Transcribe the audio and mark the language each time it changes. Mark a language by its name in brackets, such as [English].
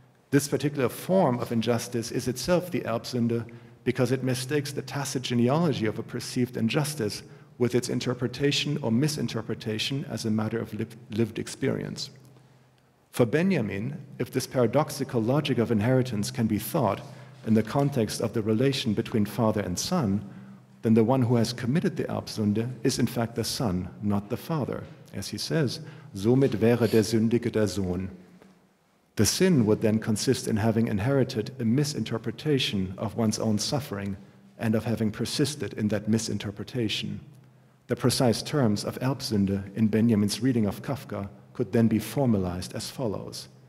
[English] This particular form of injustice is itself the Erbsünde because it mistakes the tacit genealogy of a perceived injustice with its interpretation or misinterpretation as a matter of lived experience. For Benjamin, if this paradoxical logic of inheritance can be thought in the context of the relation between father and son, then the one who has committed the Erbsünde is in fact the son, not the father. As he says, [German] somit wäre der Sündige der Sohn. [English] The sin would then consist in having inherited a misinterpretation of one's own suffering and of having persisted in that misinterpretation. The precise terms of Erbsünde in Benjamin's reading of Kafka could then be formalized as follows.